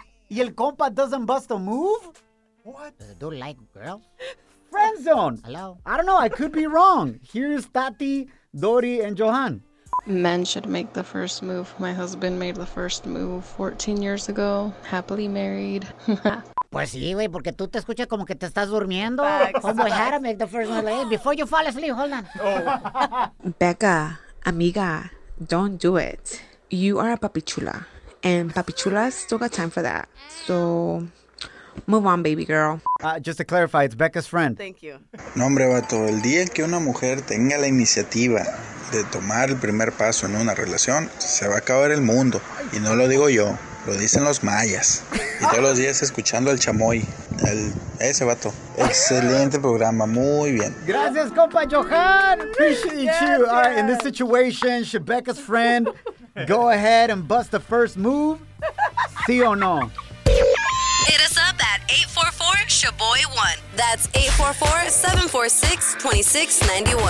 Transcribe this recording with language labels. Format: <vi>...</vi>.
<en>Y el compa doesn't bust a move? What? Does the dude like girls? Friend zone. Hello? I don't know. I could be wrong. Here's Tati, Dori, and Johan. Men should make the first move. My husband made the first move 14 years ago. Happily married.</en> <es>Pues sí, güey, porque tú te escuchas como que te estás durmiendo.</es> <en>Como I had to make the first move. Before you fall asleep, hold on. Becca, amiga, don't do it. You are a papichula. And papichulas still got time for that. So... move on, baby girl. Just to clarify, it's Becca's friend. Thank you.</en> <es>No, hombre, vato. El día que una mujer tenga la iniciativa de tomar el primer paso en una relación, se va a acabar el mundo. Y no lo digo yo, lo dicen los mayas. Y todos los días escuchando al chamoy, ese vato. Excelente programa, muy bien.</es> <en>Gracias, compa Johan. Appreciate you. Yes. All right, in this situation, should Becca's friend go ahead and bust the first move?</en> <es>Sí o no?</es> <en>Hit us up at 844-SHABOY1. That's 844-746-2691.</en>